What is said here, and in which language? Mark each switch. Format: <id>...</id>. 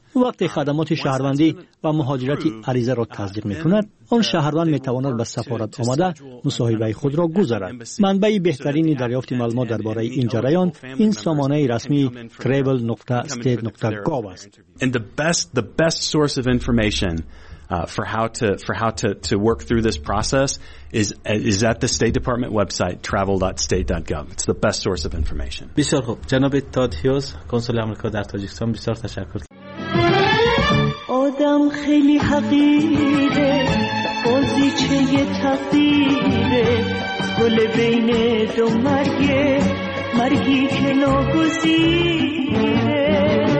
<fa>وقتی خدمات شهروندی و مهاجرت عریضه را تصدیق می‌کند، آن شهروند می‌تواند به سفارت آمده مصاحبه خود را گذارد. منبع بهترین دریافت معلومات درباره این جریان این سامانه رسمی travel.state.gov است.</fa> <en>The best source of information for how to work through this process is at the State Department website travel.state.gov. It's the best source of information.</en> <fa>بسیار خوب، جناب تاد هیوز، کنسول آمریکا در تاجیکستان، بسیار تشکر. دلم خیلی حقیره، بازیچه یه تقدیره، گل بین دو مرگه، مرگی که ناگزیره.</fa>